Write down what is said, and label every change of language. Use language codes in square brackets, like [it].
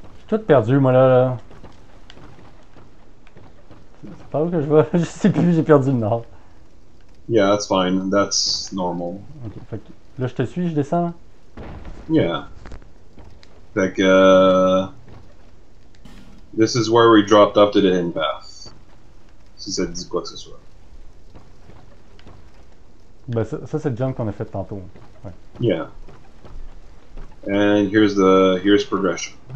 [fr] J'ai tout perdu, moi, là, là. C'est pas où que je vais? Je sais plus, j'ai perdu le nord. [en] Yeah, that's fine. That's normal. [fr] Ok, fait que là, je te suis, je descends. Yeah. Fait que... [en] This is where we dropped up to the hidden path. [fr] Si ça te dit quoi que ce soit. Ben ça, ça c'est le jump qu'on a fait tantôt. Ouais. [en] Yeah. And here's the here's progression.